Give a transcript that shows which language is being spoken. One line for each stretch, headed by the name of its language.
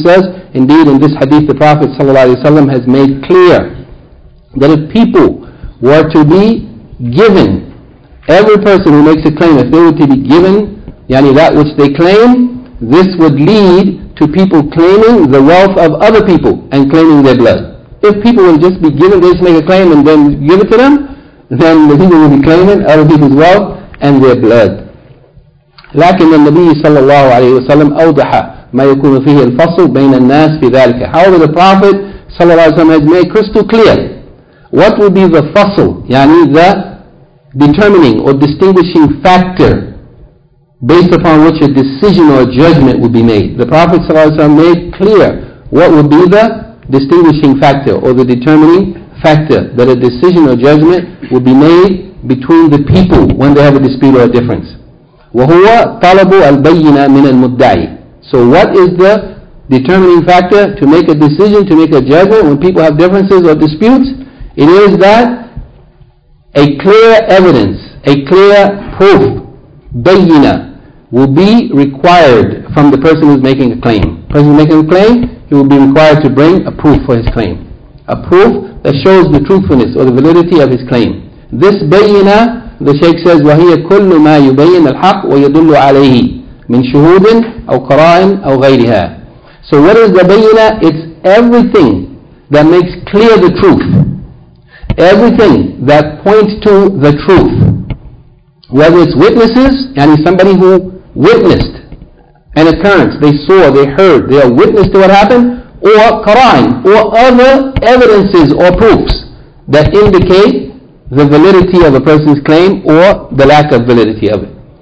English: He says, indeed in this hadith the Prophet ﷺ has made clear that if people were to be given, every person who makes a claim, if they were to be given yani that which they claim, this would lead to people claiming the wealth of other people and claiming their blood. If people would just be given, they just make a claim and then give it to them, then the people would be claiming other people's wealth and their blood.
Arabic: لكن النبي صلى الله عليه وسلم أوضح ما يكون فيه الفصل بين الناس في ذلك.
English: However, the Prophet صلى الله عليه وسلم has made crystal clear what would be the fasl, yani the determining or distinguishing factor based upon which a decision or a judgment would be made. The Prophet صلى الله عليه وسلم made clear what would be the distinguishing factor or the determining factor that a decision or judgment would be made between the people when they have a dispute or a difference.
Arabic: وَهُوَ طَلَبُ الْبَيِّنَ مِنَ الْمُدَّعِ.
English: So what is the determining factor to make a decision, to make a judgment when people have differences or disputes? It is that a clear evidence, a clear proof, بَيِّنَ, will be required from the person who is making a claim. Person making a claim, he will be required to bring a proof for his claim. A proof that shows the truthfulness or the validity of his claim.
Arabic: This بَيِّنَ,
English: the Shaykh says,
Arabic: وَهِيَ كُلُّ مَا يُبَيِّنَ الْحَقِّ وَيَدُلُّ عَلَيْهِ مِنْ شُهُودٍ أَوْ قَرَائِنٍ أَوْ غَيْرِهَا.
English: So what is the bayina? It's everything that makes clear the truth. Everything that points to the truth. Whether it's witnesses, yani somebody who witnessed an occurrence, they saw, they heard, they are witness to what happened, or qara'in, or other evidences or proofs that indicate the validity of a person's claim or the lack of validity of it.